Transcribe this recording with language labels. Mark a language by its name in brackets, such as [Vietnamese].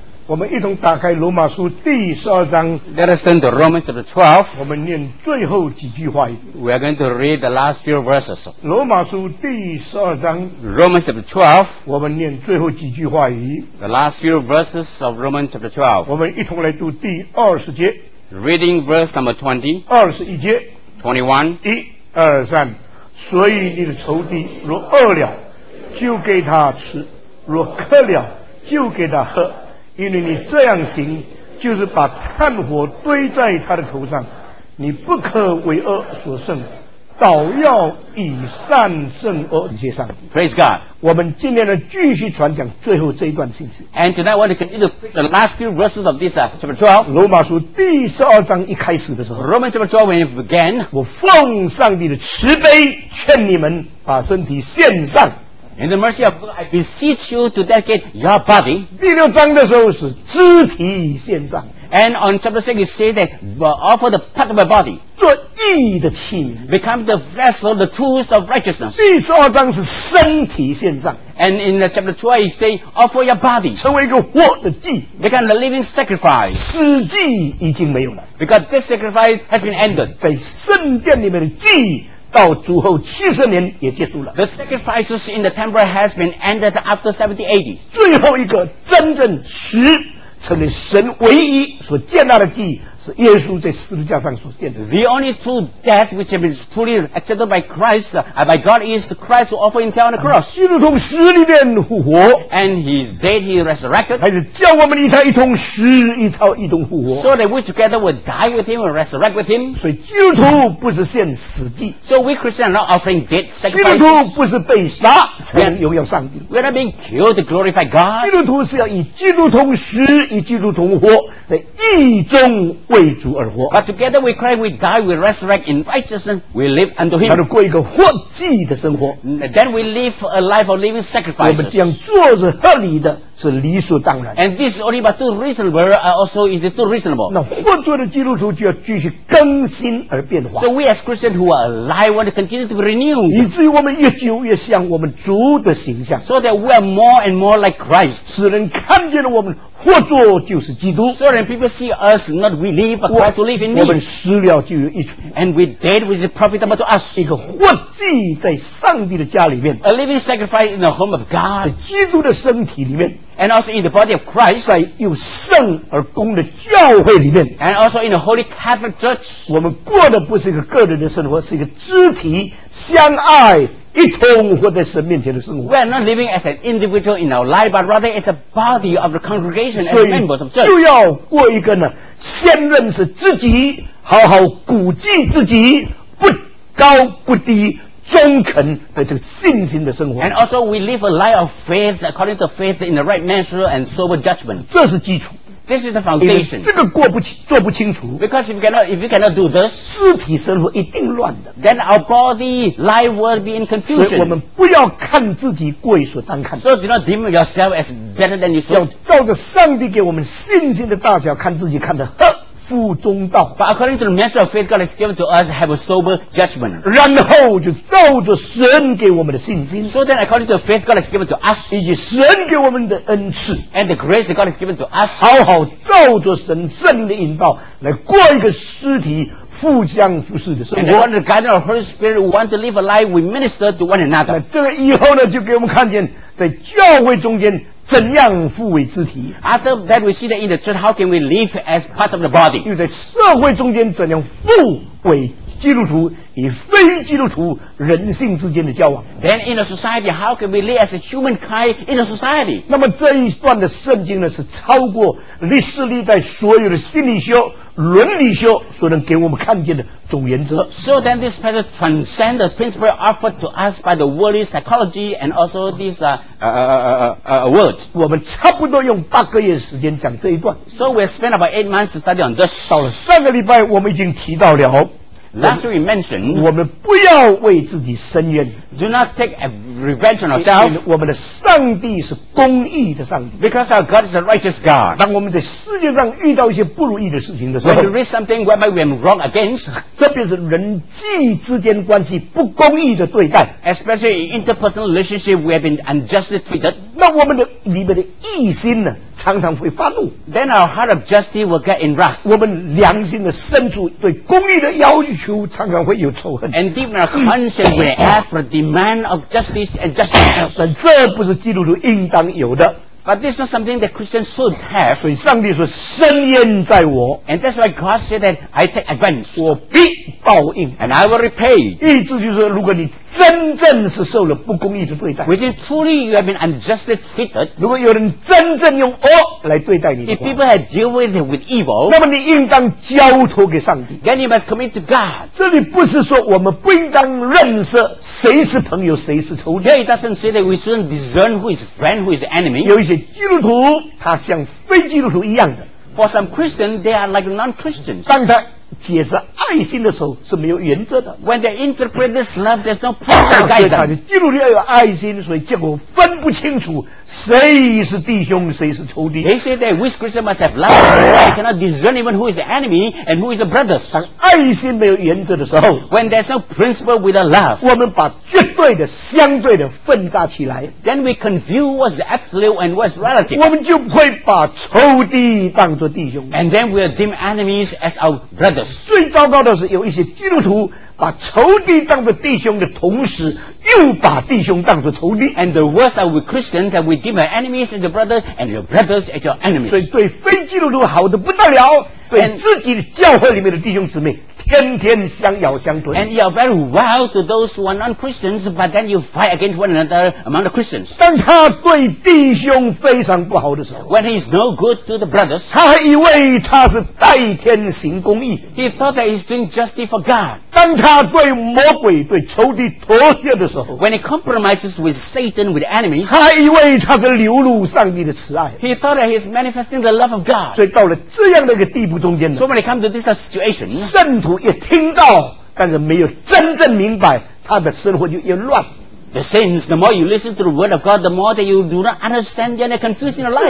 [Chinese] 我们一同打开罗马书第12章。 [English] Let us turn to Romans chapter 12. [Chinese] 我们念最后几句话。 [English] We are going to read the last few verses. [Chinese] 罗马书第12章。 [English] Romans chapter 12. [Chinese] 我们念最后几句话。 [English] The last few verses of Romans chapter 12. [Chinese] 我们一同来读第20节。 [English] Reading verse number 20. [Chinese] 21节。 [English] 21。 [Chinese] 一、二、三。所以你的仇敌若饿了，就给他吃；若渴了，就给他喝。因为你这样行，就是把炭火堆在他的头上。你不可为恶所胜，倒要以善胜恶。谢谢上帝。 [English] Praise God。 [Chinese] 我们今天呢，继续传讲最后这一段信息。 [English] And tonight, I want to continue the last few verses of this chapter 12. [Chinese] 罗马书第十二章一开始的时候。 [English] Romans chapter 12 when it began. [Chinese] 我奉上帝的慈悲，劝你们把身体献上。 [English] In the mercy of God, I beseech you to dedicate your body. [Chinese] 第六章的时候是肢体献上。 [English] And on chapter 6, you say that we offer the part of our body. [Chinese] 做义的器皿。 [English] Become the vessel, the tools of righteousness. [Chinese] 第十二章是身体献上。 [English] And in the chapter 12, you say, offer your body. [Chinese] 成为一个活的祭。 [English] Become the living sacrifice. [Chinese] 死祭已经没有了。 [English] Because this sacrifice has been ended. [Chinese] 在圣殿里面的祭到主后70年也结束了。 [English] The sacrifices in the temple has been ended after 70 AD. [Chinese] 最后一个真正实成为神唯一所接纳的祭，是耶稣在十字架上所献的。 [English] The only true death which has been truly accepted by Christ, by God, is Christ who offered himself on the cross. [Chinese] 基督从死里面复活。 [English] And he is dead, he resurrected. [Chinese] 还是叫我们与他一同死，与他一同复活。 [English] So that we together will die with him and resurrect with him. [Chinese] 所以基督徒不是献死祭。 [English] So we Christians are not offering dead sacrifices. [Chinese] 基督徒不是被杀才荣耀上帝。 [English] We are not being killed to glorify God. [Chinese] 基督徒是要与基督同死，与基督同活，在义中为主而活。 [English] But together we cry, we die, we resurrect in righteousness, we live unto him. [Chinese] 他就过一个活祭的生活。 [English] Then we live a life of living sacrifices. [Chinese] 我们这样做是合理的，是理所当然。 [English] And this is only but too reasonable, also is too reasonable. [Chinese] 那活着的基督徒就要继续更新而变化。 [English] So we as Christians who are alive want to continue to be renewed. [Chinese] 以至于我们越久越像我们主的形象。 [English] So that we are more and more like Christ. [Chinese] 使人看见了我们活着就是基督。 [English] So when people see us, not we live, but Christ who live in me. [Chinese] 我们死了就有益处。 [English] And we dead which is profitable to us. [Chinese] 一个活祭在上帝的家里面。 [English] A living sacrifice in the home of God. [Chinese] 在基督的身体里面。 [English] And also in the body of Christ. [Chinese] 在有圣而公的教会里面。 [English] And also in the holy Catholic Church. [Chinese] 我们过的不是一个个人的生活，是一个肢体相爱一同活在神面前的生活。 [English] We are not living as an individual in our life, but rather as a body of the congregation and members of church. [Chinese] 就要过一个呢，先认识自己，好好估计自己，不高不低，忠恳的这个信心的生活。 [English] And also we live a life of faith according to faith in the right measure and sober judgment. [Chinese] 这是基础。 [English] This is the foundation. [Chinese] 这个过不清，做不清楚。 [English] Because if you cannot do this, [Chinese] 肢体生活一定乱的。 [English] Then our body life will be in confusion. [Chinese] 所以我们不要看自己过于所当看。 [English] So do not deem yourself as better than you should. [Chinese] 要照着上帝给我们信心的大小看自己，看得合乎中道。 [English] But according to the measure of faith God has given to us, have a sober judgment. [Chinese] 然后就照着神给我们的信心。 [English] So then according to the faith God has given to us, [Chinese] 以及神给我们的恩赐。 [English] And the grace that God has given to us, [Chinese] 好好照着神圣的引导来过一个肢体互相服侍的生活。 [English] And under the guidance of the Holy Spirit, we want to live a life we minister to one another. [Chinese] 那这个以后呢，就给我们看见在教会中间怎样互为肢体。 [English] After that we see that in the church, how can we live as part of the body? [Chinese] 又在社会中间怎样互为基督徒与非基督徒人性之间的交往。 [English] Then in the society, how can we live as a humankind in the society? [Chinese] 那么这一段的圣经呢，是超过历史历代所有的心理学、伦理学所能给我们看见的总原则。 [English] So then this passage transcends the principle offered to us by the worldly psychology and also this words. [Chinese] 我们差不多用八个月时间讲这一段。 [English] So we spent about 8 months studying on this. [Chinese] 到了上个礼拜我们已经提到了。 [English] Last we mentioned, [Chinese] 我们不要为自己伸冤。 [English] Do not take a revenge on ourselves. [Chinese] 我们的上帝是公义的上帝。 [English] Because our God is a righteous God. [Chinese] 当我们在世界上遇到一些不如意的事情的时候 [English] ，When we read something whereby we are wrong against, [Chinese] 特别是人际之间关系不公义的对待 [English] ，especially in interpersonal relationship we have been unjustly treated, [Chinese] 那我们的里面的义心呢？常常会发怒 [English] ，then our heart of justice will get in wrath。 [Chinese] 我们良心的深处对公义的要求常常会有仇恨 [English] ，and deep in our conscience we ask for demand of justice and justice。 [Chinese] 但这不是基督徒应当有的 [English] ，but this is something that Christians should have。 [Chinese] 所以上帝说伸冤在我 [English] ，and that's why God said that I take revenge。 [Chinese] 我必报应 [English] ，and I will repay。 [Chinese] 意思就是如果你真正是受了不公义的对待 [English] which is truly you have been unjustly treated [Chinese] 如果有人真正用恶来对待你的话 [English] if people have dealt with it with evil [Chinese] 那么你应当交托给上帝 [English] then you must commit to God [Chinese] 这里不是说我们不应当认识谁是朋友谁是仇敌 [English] here it doesn't say that we shouldn't discern who is friend who is enemy [Chinese] 有一些基督徒他像非基督徒一样的 [English] for some Christians they are like non-Christians [Chinese] 当他解释爱心的时候是没有原则的 [English] When they interpret this love there's no proper guidance [Chinese] 所以他就基督徒要有爱心所以结果分不清楚谁是弟兄谁是仇敌 [English] They say that which Christian must have love they cannot discern even who is the enemy and who is the brothers [Chinese] 当爱心没有原则的时候 [English] When there's no principle without love [Chinese] 我们把绝对的相对的分割起来 [English] Then we confuse what's absolute and what's relative [Chinese] 我们就会把仇敌当作弟兄 [English] And then we'll deem enemies as our brothers [Chinese] 最糟糕的是有一些基督徒把仇敌当作弟兄的同时又把弟兄当作仇敌 [English] and the worst are with Christians that we deem our enemies as your brother and your brothers as your enemies [Chinese] 所以对非基督徒好得不得了对自己教会里面的弟兄姊妹天天相咬相吞 [English] and you are very wild to those who are non-Christians but then you fight against one another among the Christians [Chinese] 当他对弟兄非常不好的时候 [English] when he is no good to the brothers [Chinese] 他以为他是代天行公义 [English] he thought that he is doing justice for God [Chinese] 当他对魔鬼对仇敌妥协的时候 [English] when he compromises with Satan with enemies [Chinese] 他以为他是流露上帝的慈爱 [English] he thought that he is manifesting the love of God [Chinese] 所以到了这样的一个地步中间 [English] so when he comes to this situation [Chinese] 圣徒也听到但是没有真正明白他的生活就越乱 [English] The saints, the more you listen to the word of God the more that you do not understand and are confusing your life